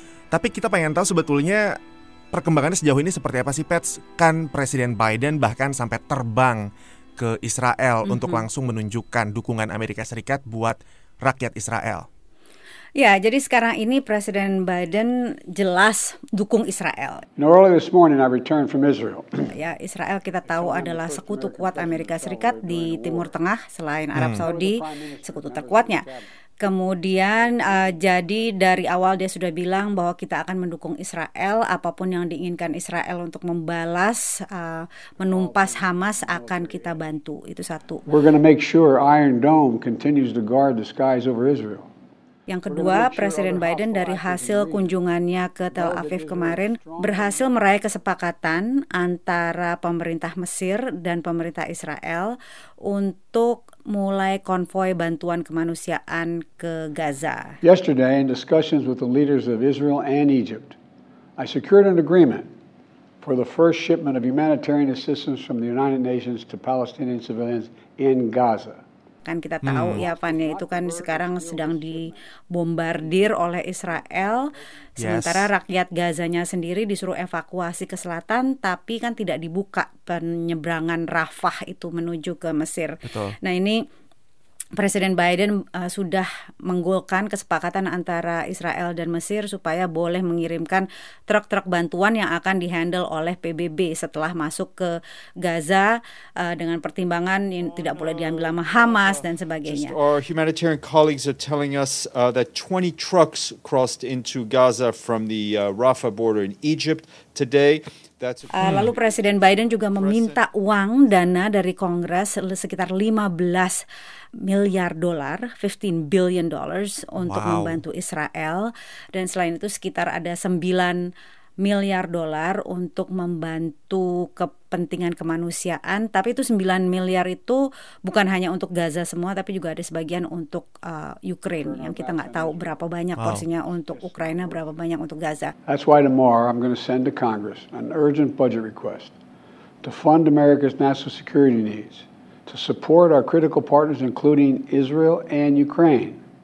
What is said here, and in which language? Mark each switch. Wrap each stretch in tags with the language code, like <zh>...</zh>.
<id>Tapi kita pengen tahu sebetulnya perkembangannya sejauh ini seperti apa sih, Pets? Kan Presiden Biden bahkan sampai terbang ke Israel untuk langsung menunjukkan dukungan Amerika Serikat buat rakyat Israel. Ya, jadi sekarang ini Presiden Biden jelas dukung Israel.</id> <en>Now, earlier this morning I returned from Israel.</en> <id>Ya, Israel kita tahu adalah sekutu kuat Amerika Serikat di Timur Tengah selain Arab Saudi, sekutu terkuatnya. Kemudian jadi dari awal dia sudah bilang bahwa kita akan mendukung Israel, apapun yang diinginkan Israel untuk membalas menumpas Hamas akan kita bantu. Itu satu.</id> <en>We're going to make sure Iron Dome continues to guard the skies over Israel.</en> <id>Yang kedua, Presiden Biden dari hasil kunjungannya ke Tel Aviv kemarin berhasil meraih kesepakatan antara pemerintah Mesir dan pemerintah Israel untuk mulai konvoi bantuan kemanusiaan ke Gaza.</id> <en>Yesterday, in discussions with the leaders of Israel and Egypt, I secured an agreement for the first shipment of humanitarian assistance from the United Nations to Palestinian civilians in Gaza.</en> <id>Kan kita tahu ya, Fanny, itu kan sekarang sedang dibombardir oleh Israel. Sementara rakyat Gazanya sendiri disuruh evakuasi ke selatan, tapi kan tidak dibuka penyeberangan Rafah itu menuju ke Mesir. Betul. Nah, ini Presiden Biden sudah menggolkan kesepakatan antara Israel dan Mesir supaya boleh mengirimkan truk-truk bantuan yang akan dihandle oleh PBB setelah masuk ke Gaza dengan pertimbangan yang tidak boleh diambil sama Hamas dan sebagainya.</id> <en>Our humanitarian colleagues are telling us that 20 trucks crossed into Gaza from the Rafah border in Egypt today.</en> <id>Lalu Presiden Biden juga meminta uang dana dari Kongres sekitar 15 miliar dolar,</id> <en>$15 billion,</en> <id>untuk membantu Israel. Dan selain itu sekitar ada 9 miliar dolar untuk membantu kepentingan kemanusiaan. Tapi itu 9 miliar itu bukan hanya untuk Gaza semua, tapi juga ada sebagian untuk Ukraine, yang kita nggak tahu berapa banyak porsinya untuk Ukraina, berapa banyak untuk Gaza.</id> <en>That's why tomorrow I'm going to send to Congress an urgent budget request to fund America's national security needs, to support our critical partners including Israel and Ukraine.</en>